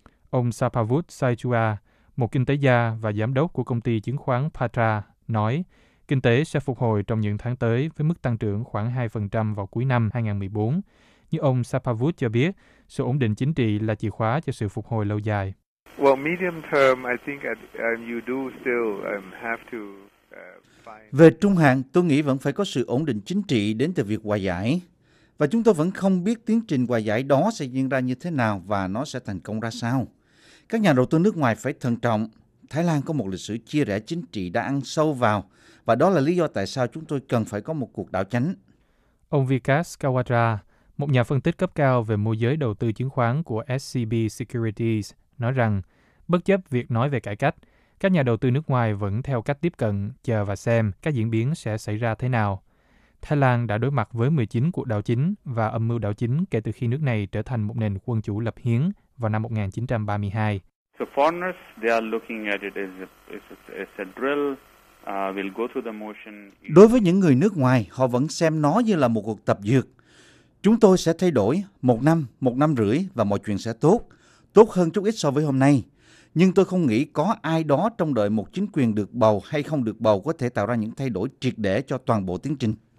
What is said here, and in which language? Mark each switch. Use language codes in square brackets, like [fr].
[vi] Ông Saphavut Saichua, một kinh tế gia và giám đốc của công ty chứng khoán Patra, nói kinh tế sẽ phục hồi trong những tháng tới với mức tăng trưởng khoảng 2% vào cuối năm 2014. Như ông Saphavut cho biết, sự ổn định chính trị là chìa khóa cho sự phục hồi lâu dài. [en] Well, medium term, I think you do still have to... [vi] Về trung hạn, tôi nghĩ vẫn phải có sự ổn định chính trị đến từ việc hòa giải. Và chúng tôi vẫn không biết tiến trình hòa giải đó sẽ diễn ra như thế nào và nó sẽ thành công ra sao. Các nhà đầu tư nước ngoài phải thận trọng. Thái Lan có một lịch sử chia rẽ chính trị đã ăn sâu vào, và đó là lý do tại sao chúng tôi cần phải có một cuộc đảo chính. Ông Vikas Kawatra, một nhà phân tích cấp cao về môi giới đầu tư chứng khoán của SCB Securities, nói rằng, bất chấp việc nói về cải cách, các nhà đầu tư nước ngoài vẫn theo cách tiếp cận, chờ và xem các diễn biến sẽ xảy ra thế nào. Thái Lan đã đối mặt với 19 cuộc đảo chính và âm mưu đảo chính kể từ khi nước này trở thành một nền quân chủ lập hiến vào năm 1932. [en] So foreigners, they are looking at it as a drill [vi] Đối với những người nước ngoài, họ vẫn xem nó như là một cuộc tập dượt. Chúng tôi sẽ thay đổi một năm rưỡi và mọi chuyện sẽ tốt, tốt hơn chút ít so với hôm nay. Nhưng tôi không nghĩ có ai đó trong đợi một chính quyền được bầu hay không được bầu có thể tạo ra những thay đổi triệt để cho toàn bộ tiến trình.